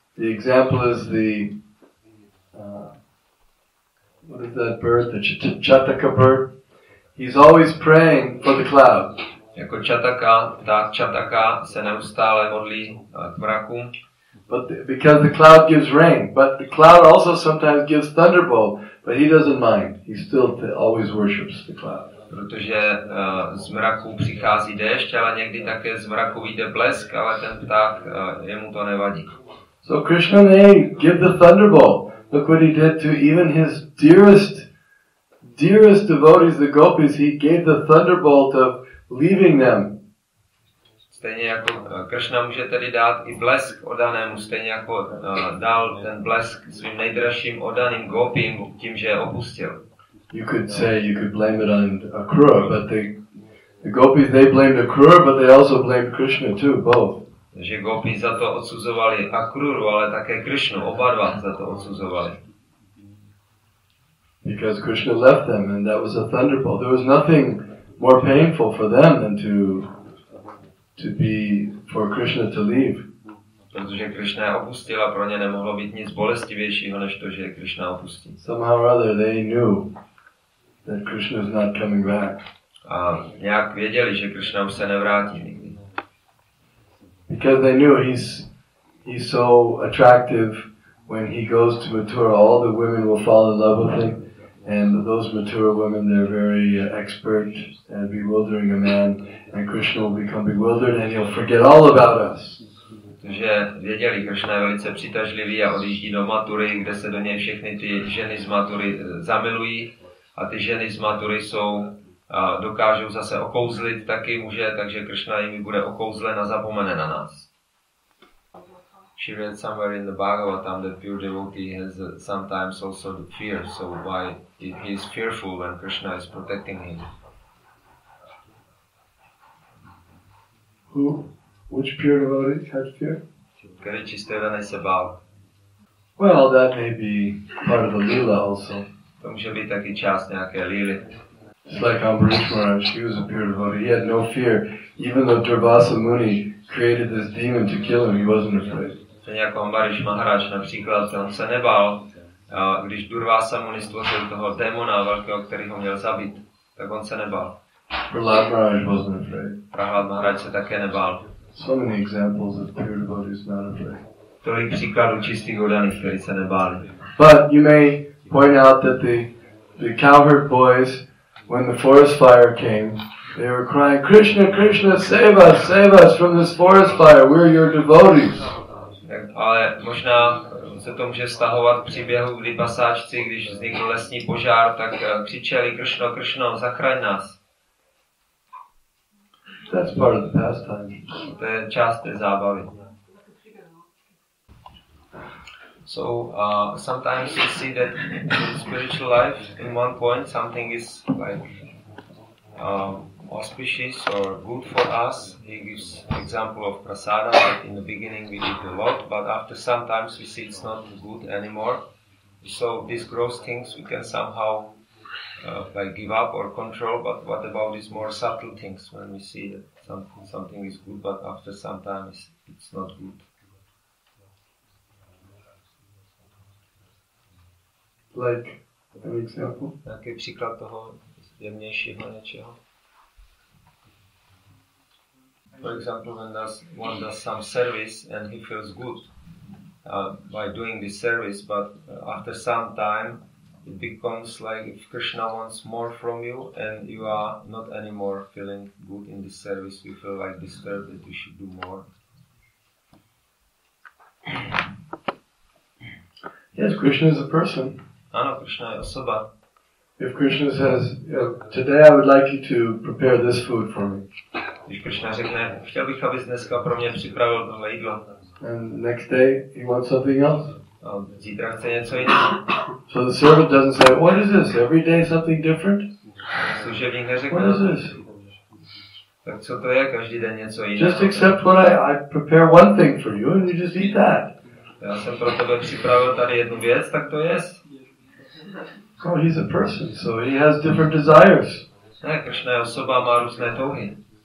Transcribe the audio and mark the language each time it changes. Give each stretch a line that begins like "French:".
English: The example is the what is that bird, the Chataka bird. He's always praying for the cloud.
Czech: Jako Chataka, tak Chataka se neustále modlí k mraku.
English: But because the cloud gives rain, but the cloud also sometimes gives thunderbolt, but he doesn't mind. He still always worships the cloud.
Czech: Protože z mraku přichází déšť, ale někdy také z mraku vyjde blesk, ale ten pták, jemu to nevadí.
English: So Krishna, hey, give the thunderbolt. Look what he did to even his dearest devotees, the gopis, he gave the thunderbolt of leaving them.
Czech: Stejně jako Krishna může tedy dát i blesk odanému, stejně jako dal ten blesk svým nejdražším odaným gopím tím, že je opustil.
English: You could say you could blame it on Akrura, but the gopis, they blamed Akrura, but they also blamed Krishna too, both.
Czech: Že gopi za to odsuzovali Akruru, ale také Krishnu, oba dva za to odsuzovali.
English: Because Krishna left them and that was a thunderbolt. There was nothing more painful for them than to be for Krishna to leave.
Czech: Protože Krishna opustil, pro ně nemohlo být nic bolestivějšího než to, že Krishna opustí.
English: Somehow or other they knew that Krishna is not coming back.
Czech: A nějak věděli, že Krishna už se nevrátí nikdy.
English: Because they knew he's so attractive, when he goes to Mathura, all the women will fall in love with him, and those Mathura women, they're very expert at bewildering a man, and Krishna will become bewildered and he'll forget all about us.
Czech: Že věděli, Krishna je velice přitažlivý a odjíždí do Mathury, kde se do něj všechny ty ženy z Mathury zamilují. A ty ženy z Mathury jsou dokážou zase okouzlit taky muže, takže Krishna jim bude okouzlen a zapomene na nás.
English: She read somewhere in the Bhagavatam that pure devotee has sometimes also the fear, so why he is fearful when Krishna is protecting him. Who? Which pure devotee had fear?
Czech: Který čistý oddaný se bál.
English: Well, that may be part of the lila also.
Czech: To může být taky část nějaké lily.
English: It's like Ambarish Maharaj, he was a pure devotee. He had no fear. Even though Durvasa Muni created this demon to kill him, he wasn't afraid.
Czech: Stejně jako Ambarish Maharaj například, on se nebál, když Durvasa Muni stvořil toho démona velkého, který ho měl zabít, tak on se nebál.
English: Prahlad Maharaj wasn't afraid.
Czech: Prahlad Maharaj se také nebál.
English: So many examples of pure devotees not afraid.
Czech: Tolik příkladů čistých oddaných, kteří se nebáli.
English: But you may point out that the cowherd boys, when the forest fire came, they were crying, Krishna, Krishna, save us from this forest fire, we're your devotees.
Czech: Ale možná se to může stahovat při běhu, kdy pasáčci, když vznikl lesní požár, tak křičeli, Krishna, Krishna, zachraň nás.
English: That's part of the pastime.
Czech: To je část té zábavy.
English: So sometimes you see that in spiritual life, in one point, something is like auspicious or good for us. He gives example of prasada, like in the beginning we did a lot, but after sometimes we see it's not good anymore. So these gross things we can somehow like give up or control, but what about these more subtle things when we see that something is good, but after sometimes it's not good? Like an example.
Czech: Nějaký příklad toho jemnějšího něčeho.
English: For example, when one does some service and he feels good by doing this service, but after some time it becomes like if Krishna wants more from you and you are not anymore feeling good in this service, you feel like disturbed that you should do more. Yes, Krishna is a person.
Czech: Ano, Krishna je osoba.
English: If Krishna says, today I would like you to prepare this food for me.
Czech: Když Krishna řekne, chtěl bych, abys dneska pro mě připravil tohle jídlo.
English: And next day he wants something else.
Czech: A zítra chce něco jiného.
English: So the servant doesn't say, what is this? Every day something different?
Czech: Služebník neřekne,
English: what is this?
Czech: Tak co to je? Každý den něco jiného.
English: Just accept what I prepare one thing for you and you just eat that.
Czech: Já jsem pro tebe připravil tady jednu věc, tak to jest.
English: No, he's a person, so he has different desires.
Czech: Ne, Krishna je osoba, má různé touhy.